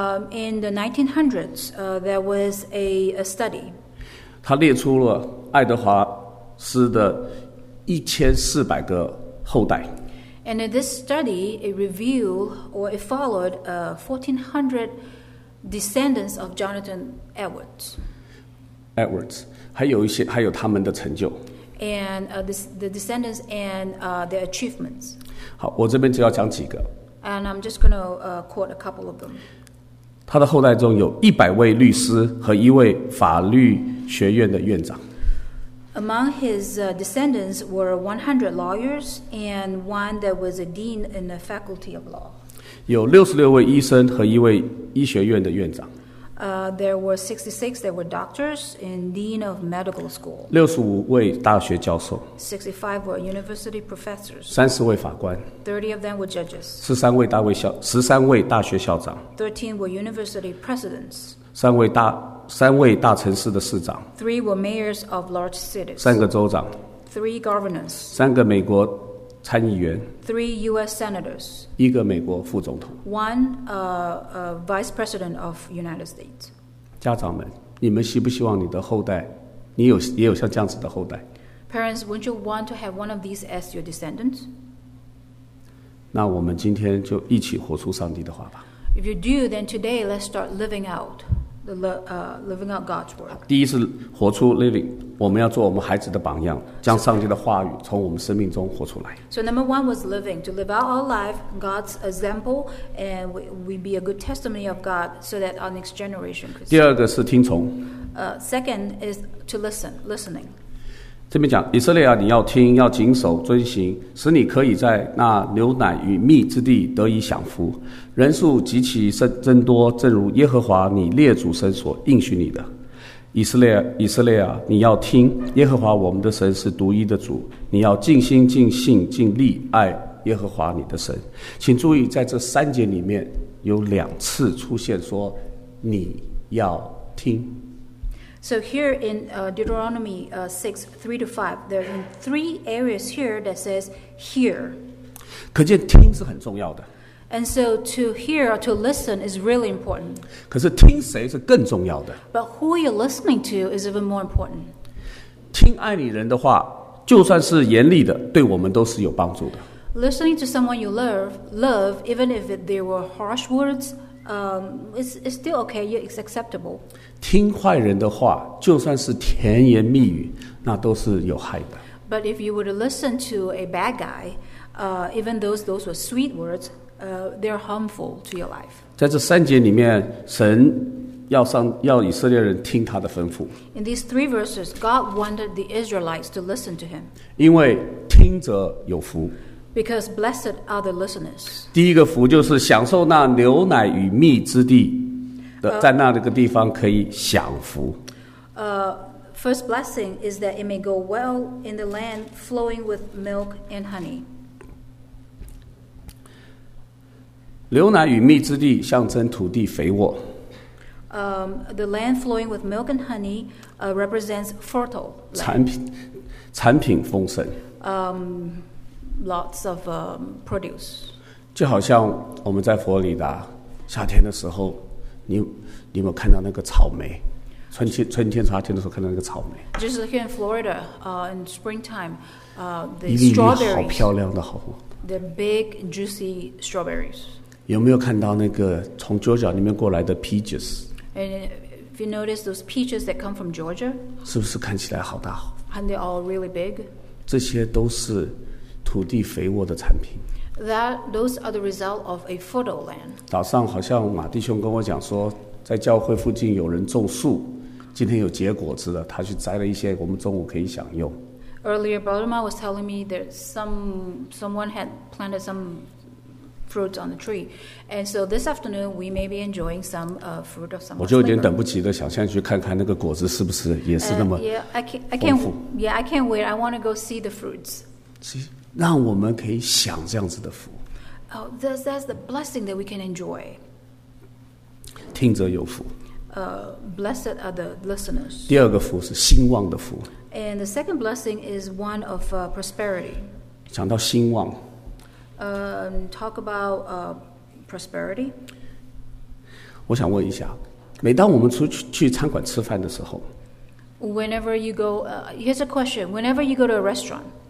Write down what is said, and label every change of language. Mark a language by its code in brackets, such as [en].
[en] In the 1900s, there was a study. [zh] 他列出了爱德华斯的1400个后代。 [en] And in this study, it followed 1400 descendants of Jonathan Edwards. [zh] Edwards, 还有一些还有他们的成就 [en] and the descendants and their achievements. [zh] 好，我这边只要讲几个 [en] and I'm just going to quote a couple of them. [zh] 他的后代中有100位律师和一位法律学院的院长 [en] Among his descendants were 100 lawyers and one that was a dean in the faculty of law. [zh] 有66位医生和一位医学院的院长 [en] There were 66 that were doctors and dean of medical school. [zh] 65位大学教授。 [en] 65 were university professors. [zh] 30位法官。 [en] 30 of them were judges. [zh] 13位大学校长。 [en] 13 were university presidents. [zh] 3位大城市的市长。 [en] 3 were mayors of large cities. [zh] 3个州长。 [en] 3 governors. [zh] 3个美国参议员。 [en] 3 U.S. senators. [zh] 一个美国副总统。 [en] One vice president of United States. [zh] 家长们，你们希不希望你的后代，你有也有像这样子的后代 [en] ？Parents, wouldn't you want to have one of these as your descendants? [zh] 那我们今天就一起活出上帝的话吧。 [en] If you do, then today let's start living out the living out God's word. [zh] 第一是活出 living。我们要做我们孩子的榜样，将上帝的话语从我们生命中活出来。 [en] So number one was living, to live out our life, God's example, and we be a good testimony of God so that our next generation could [zh] see. 第二个是听从。 [en] Second is to listening. [zh] 这边讲，以色列啊，你要听，要谨守，遵行，使你可以在那牛奶与蜜之地得以享福。人数极其增多，正如耶和华你列祖神所应许你的。以色列，以色列啊，你要听，耶和华我们的神是独一的主，你要尽心、尽性、尽力爱耶和华你的神。请注意，在这三节里面有两次出现说你要听。 [en] So here in Deuteronomy 6:3-5, there are three areas here that says hear. [zh] 可见听是很重要的。 [en] And so to hear or to listen is really important. [zh] 可是听谁是更重要的。 [en] But who you're listening to is even more important. [zh] 听爱你人的话，就算是严厉的，对我们都是有帮助的。 [en] Listening to someone you love, even if they were harsh words, it's still okay, it's acceptable. [zh] 听坏人的话，就算是甜言蜜语，那都是有害的。 [en] But if you were to listen to a bad guy, even those were sweet words,they're harmful to your life. [zh] 在这三节里面，神要以色列人听他的吩咐。 [en] In these three verses, God wanted the Israelites to listen to him. [zh] 因为听者有福。 [en] Because blessed are the listeners. [zh] 第一个福就是享受那牛奶与蜜之地的，在那个地方可以享福。 [en] First blessing is that it may go well in the land flowing with milk and honey. [zh] 牛奶与蜜之地象征土地肥沃。 [en] The land flowing with milk and honey represents fertile land. [zh] 产品丰盛。 [en] Lots of produce. [zh] 就好像我们在佛罗里达夏天的时候，你有没有看到那个草莓？春天夏天的时候看到那个草莓。 [en] Just like in Florida, in springtime, the [zh] 一粒一粒 [en] strawberries. [zh] 好漂亮的，好。 [en] The big juicy strawberries. [zh] 有没有看到那个从 Georgia 里面过来的 peaches? [en] And if you notice those peaches that come from Georgia, [zh] 是不是看起来好大？ [en] And they're all really big. [zh] 这些都是土地肥沃的产品。 [en] Those are the result of a fertile land. [zh] 早上好像马弟兄跟我讲说，在教会附近有人种树，今天有结果子了，他去摘了一些，我们中午可以享用。 [en] Earlier, Brother Ma was telling me that someone had planted some fruit on the tree, and so this afternoon we may be enjoying some fruit of some. [zh] 我就有点等不及的想先去看看那个果子是不是也是那么丰富。 [en] Yeah, I can't wait. I want to go see the fruits. [zh] 让我们可以享这样子的福。 [en] Oh, that's the blessing that we can enjoy. [zh] 听者有福。 [en] Blessed are the listeners. [zh] 第二个福是兴旺的福。 [en] And the second blessing is one of prosperity. [zh] 讲到兴旺。 [en] Talk about prosperity. [zh] 我想问一下，每当我们出去餐馆吃饭的时候 [en] ，Whenever you go, here's a question. Whenever you go to a restaurant,